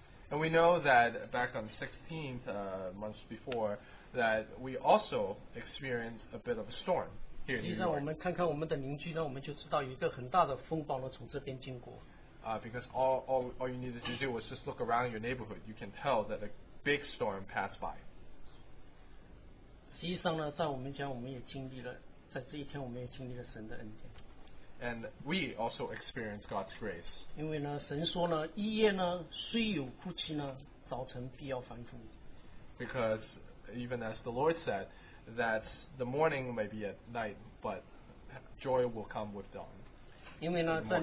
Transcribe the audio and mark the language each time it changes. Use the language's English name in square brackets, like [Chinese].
[English] And we know that back on the 16th, months before, that we also experience a bit of a storm here in the world. Because all you needed to do was just look around your neighborhood, you can tell that a big storm passed by. [Chinese] 实际上呢，在我们讲，我们也经历了，在这一天，我们也经历了神的恩典。 [English] And we also experience God's grace. [Chinese] 因为呢，神说呢，一夜呢虽有哭泣呢，早晨必要反复。 [English] Because even as the Lord said, that the morning may be at night, but joy will come with dawn.